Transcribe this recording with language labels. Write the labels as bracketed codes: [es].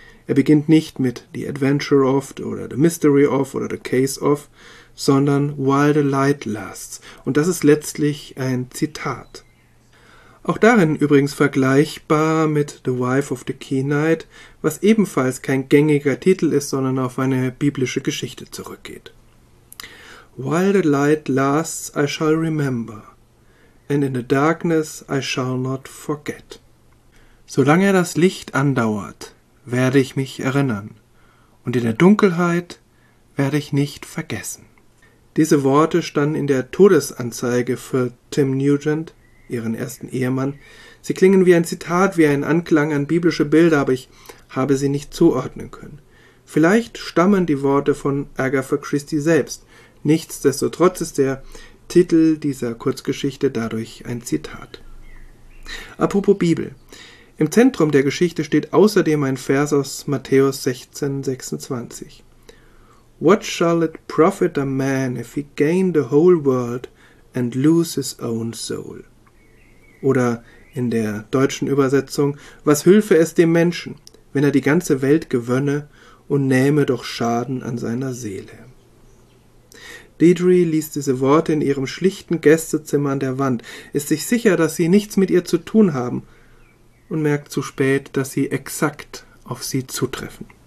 [de] Er beginnt nicht mit The Adventure of oder The Mystery of oder The Case of, sondern While the Light Lasts. Und das ist letztlich ein Zitat. Auch darin übrigens vergleichbar mit The Wife of the Kenite, was ebenfalls kein gängiger Titel ist, sondern auf eine biblische Geschichte zurückgeht. [en] While the light lasts, I shall remember. And in the darkness, I shall not forget. [de] Solange das Licht andauert, werde ich mich erinnern. Und in der Dunkelheit werde ich nicht vergessen. Diese Worte standen in der Todesanzeige für Tim Nugent, ihren ersten Ehemann. Sie klingen wie ein Zitat, wie ein Anklang an biblische Bilder, aber ich habe sie nicht zuordnen können. Vielleicht stammen die Worte von Agatha Christie selbst. Nichtsdestotrotz ist der Titel dieser Kurzgeschichte dadurch ein Zitat. Apropos Bibel. Im Zentrum der Geschichte steht außerdem ein Vers aus Matthäus 16, 26. [en] What shall it profit a man if he gain the whole world and lose his own soul? [de] Oder in der deutschen Übersetzung, was hülfe es dem Menschen, wenn er die ganze Welt gewönne und nähme doch Schaden an seiner Seele? Deirdre liest diese Worte in ihrem schlichten Gästezimmer an der Wand, ist sich sicher, dass sie nichts mit ihr zu tun haben und merkt zu spät, dass sie exakt auf sie zutreffen.